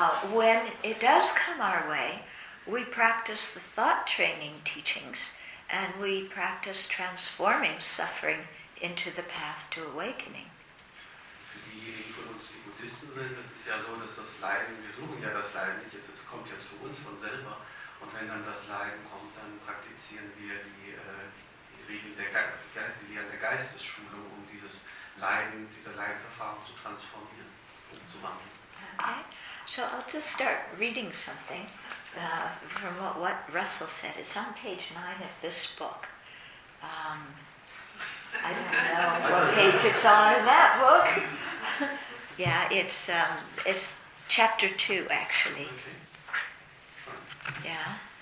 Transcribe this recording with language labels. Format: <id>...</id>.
<en>When it does come our way, we practice the thought training teachings and we practice transforming suffering into the path to awakening.</en> <de>Sind, es ist ja so, dass das Leiden, wir suchen ja das Leiden nicht, es kommt ja zu uns von selber. Und wenn dann das Leiden kommt, dann praktizieren wir die Regeln der Lehren der Geistesschulung, um dieses Leiden, diese Leidenserfahrung zu transformieren, umzuwandeln.</de> <en>Okay. So I'll just start reading something from what Russell said. It's on page 9 of this book. I don't know what page it's on in that book. Yeah, it's chapter 2, actually. Yeah.</en>